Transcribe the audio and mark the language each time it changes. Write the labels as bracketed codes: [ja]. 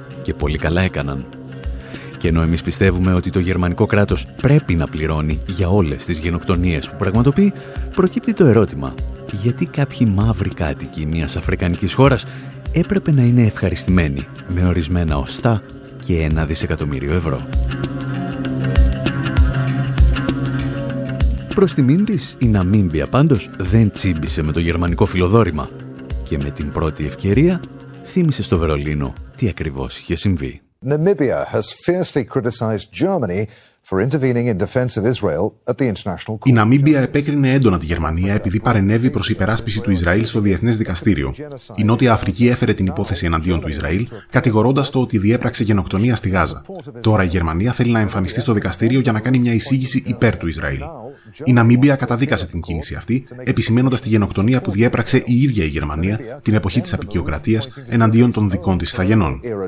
[el] Και πολύ καλά έκαναν. Και ενώ εμείς πιστεύουμε ότι το γερμανικό κράτος πρέπει να πληρώνει για όλες τις γενοκτονίες που πραγματοποιεί, προκύπτει το ερώτημα, γιατί κάποιοι μαύροι κάτοικοι μιας αφρικανικής χώρας έπρεπε να είναι ευχαριστημένοι με ορισμένα οστά και 1 δισεκατομμύριο ευρώ. Προς τιμήν της, η Ναμίμπια πάντως δεν τσίμπησε με το γερμανικό φιλοδόρημα και με την πρώτη ευκαιρία θύμισε στο Βερολίνο τι ακριβώς είχε συμβεί. [en] Namibia has fiercely criticized Germany for intervening in defense of Israel at the International Court. [el] Η Ναμίμπια επέκρινε έντονα τη Γερμανία επειδή παρενέβη προς υπεράσπιση του Ισραήλ στο Διεθνές Δικαστήριο. Η Νότια Αφρική έφερε την υπόθεση εναντίον του Ισραήλ, κατηγορώντας το ότι διέπραξε γενοκτονία στη Γάζα. Τώρα η Γερμανία θέλει να εμφανιστεί στο δικαστήριο για να κάνει μια εισήγηση υπέρ του Ισραήλ. Η Ναμίμπια καταδίκασε την κίνηση αυτή, επισημένοντας τη γενοκτονία που διέπραξε η ίδια η Γερμανία την εποχή της απεικιοκρατίας εναντίον των δικών της ηθαγενών.